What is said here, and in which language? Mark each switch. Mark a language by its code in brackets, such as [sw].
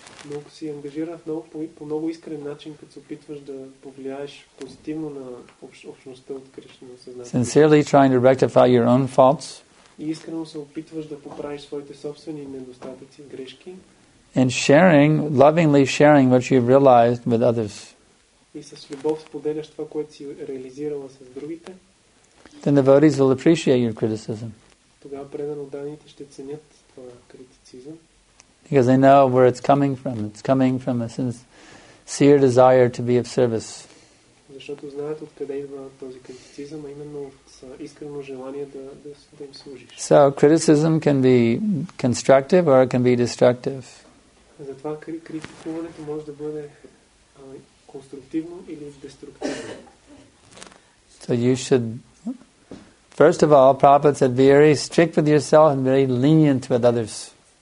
[bg] но ако си ангажирах по много искрен начин, като се опитваш да повлияеш позитивно на общността от Кришна съзнание. [en] Sincerely trying to rectify your own faults. [bg] И искрено се опитваш да поправиш своите собствени недостатъци, грешки. [en] and sharing, lovingly sharing what you've realized with others. [bg] И с любов споделяш това, което си реализирала с другите. [en] Then the devotees will appreciate your criticism. [bg] Тогава преданите ще ценят твоя критицизъм. [en] Because they know where it's coming from. It's coming from a sincere desire to be of service. [bg] Защото знаят откъде идва този критицизъм, а именно от искрено желание да им служиш. [en] So criticism can be constructive or it can be destructive. [bg] Затова критикуването може да бъде конструктивно или деструктивно. [en] So you should, first of all, Prabhupada said, be very strict with yourself and very lenient with others.